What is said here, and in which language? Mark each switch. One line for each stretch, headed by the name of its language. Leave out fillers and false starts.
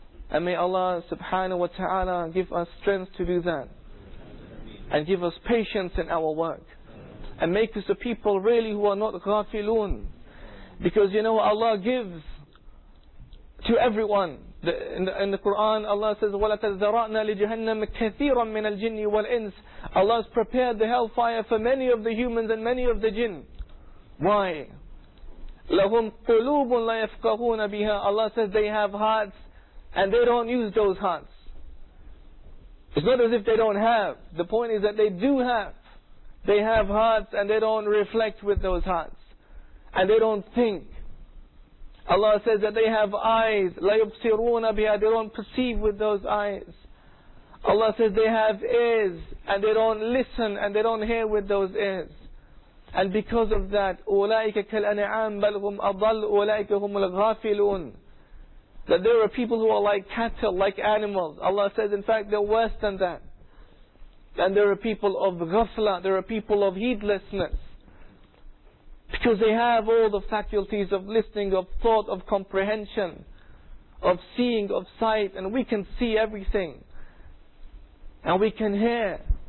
English: And may Allah subhanahu wa ta'ala give us strength to do that. And give us patience in our work. And make us a people really who are not ghafilun. Because you know, Allah gives to everyone. In the Quran, Allah says,
Arabic: وَلَتَذَّرَأْنَا لِجَهَنَّمَ كَثِيرًا مِنَ الْجِنِّ وَالْإِنْسِ.
English: Allah has prepared the hellfire for many of the humans and many of the jinn. Why?
Arabic: لَهُمْ قُلُوبٌ لَا يَفْقَهُونَ بِهَا.
English: Allah says they have hearts and they don't use those hearts. It's not as if they don't have. The point is that they do have. They have hearts and they don't reflect with those hearts. And they don't think. Allah says that they have eyes,
Arabic: لَا يُبْصِرُونَ بِهَا,
English: they don't perceive with those eyes. Allah says they have ears, and they don't listen, and they don't hear with those ears. And because of that,
Arabic: أُولَٰئِكَ كَالْأَنْعَامِ بَلْ هُمْ أَضَلُّ أُولَٰئِكَ هُمُ الْغَافِلُونَ.
English: That there are people who are like cattle, like animals. Allah says in fact they're worse than that. And there are people of ghafla, there are people of heedlessness. Because they have all the faculties of listening, of thought, of comprehension, of seeing, of sight, and we can see everything. And we can hear.